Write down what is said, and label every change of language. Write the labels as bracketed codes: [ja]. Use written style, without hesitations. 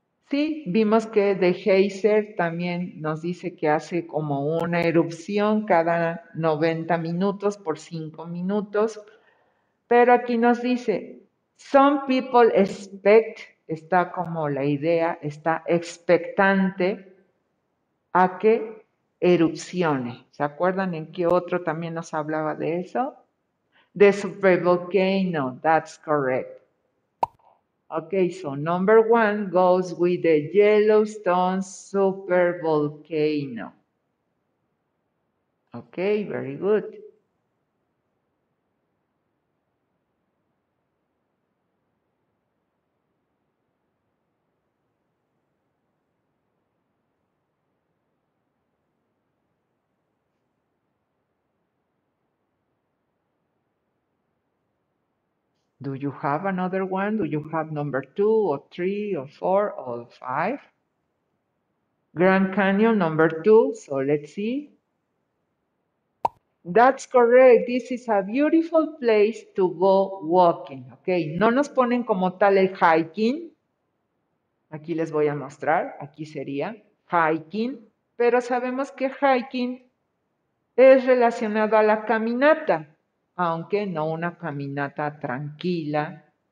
[es] Sí, vimos que The Geyser también nos dice que hace como una erupción cada 90 minutos por 5 minutos, pero aquí nos dice, [en] some people expect, [es] está como la idea, está expectante a que erupcione. ¿Se acuerdan en qué otro también nos hablaba de eso? [en] The supervolcano, that's correct. Okay, so number one goes with the Yellowstone supervolcano. Okay, very good. Do you have another one? Do you have number two or three or four or five? Grand Canyon number two. So let's see. That's correct. This is a beautiful place to go walking. Okay. [es] No nos ponen como tal el hiking. Aquí les voy a mostrar. Aquí sería hiking. Pero sabemos que hiking es relacionado a la caminata, aunque no una caminata tranquila.